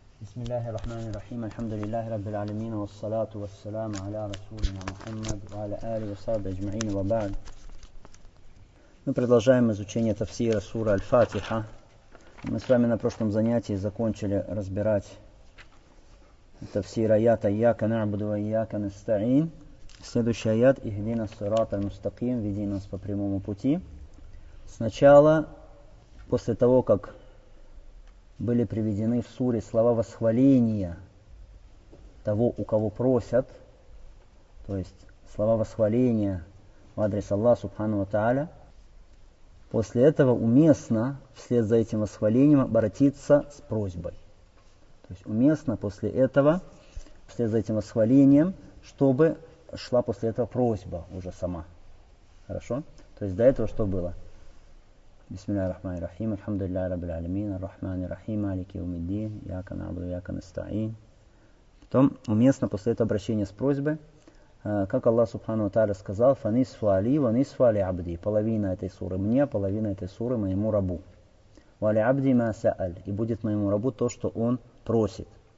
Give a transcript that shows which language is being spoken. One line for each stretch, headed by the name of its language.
Arabic: بسم الله الرحمن الرحيم الحمد لله رب العالمين والصلاة والسلام على رسولنا محمد وعلى آله وصحبه أجمعين وبعد.
Russian: Мы продолжаем изучение тафсира суры Аль-Фатиха. Мы с вами на прошлом занятии закончили разбирать тафсир аята
Arabic: «Ияка на'буду ва ияка наста'ин».
Russian: Следующий аят
Arabic: «Ихдина ас-сирата аль-мустаким»
Russian: — «Веди нас по прямому пути». Сначала, после того, как были приведены в суре слова восхваления того, у кого просят, то есть слова восхваления в адрес Аллаха Субхану ва Тааля, после этого уместно вслед за этим восхвалением обратиться с просьбой. То есть уместно после этого, вслед за этим восхвалением, чтобы шла после этого просьба уже сама. Хорошо? То есть до этого что было?
Arabic: بسم الله الرحمن الرحيم الحمد لله رب العالمين الرحمن الرحيم مالك يوم الدين إياك نعبد وإياك نستعين.
Russian: Потом уместно после этого обращения с просьбой, как Аллах Субхану ва Тааля сказал:
Arabic: فَنِصْفُ عَلِي وَنِصْفُ عَلِي عَبْدِي,
Russian: половина этой суры мне, половина этой суры моему рабу.
Arabic: وَعَلِي عَبْدِي مَا سَأَلَ,
Russian: и будет моему рабу то, что он просит.